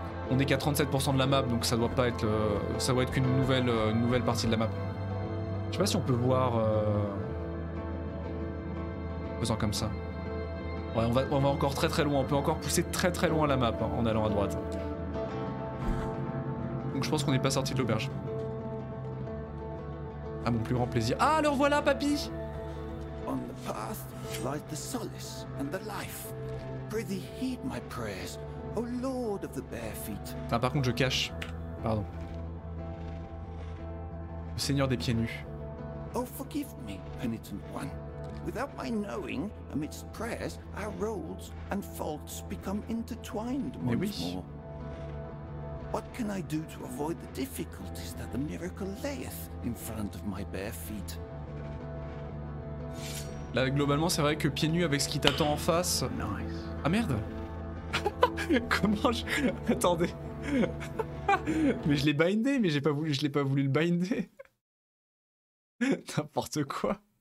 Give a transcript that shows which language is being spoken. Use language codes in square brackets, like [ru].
[fr] On est qu'à 37% de la map, donc ça doit pas être... Ça doit être qu'une nouvelle partie de la map. Je sais pas si on peut voir... Faisant comme ça. Ouais, on va encore très très loin, on peut encore pousser très très loin la map, hein, en allant à droite. Donc je pense qu'on est pas sorti de l'auberge. À mon plus grand plaisir. Ah, alors voilà, papy! [en] On the path lies the solace and the life. Prithee, heed my prayers, O Lord of the bare feet. [fr] Ah, par contre, je cache. Pardon. Le Seigneur des pieds nus. [en] Oh, forgive me, penitent one. Without my knowing, amidst prayers, our roles and faults become intertwined once more. [fr] Mais oui. [en] What can I do to avoid the difficulties that the miracle layeth in front of my bare feet? [fr] Là, globalement, c'est vrai que pieds nus avec ce qui t'attend en face... Nice. Ah merde. Comment je... Attendez. Mais je l'ai bindé, mais je l'ai pas voulu le binder. N'importe quoi.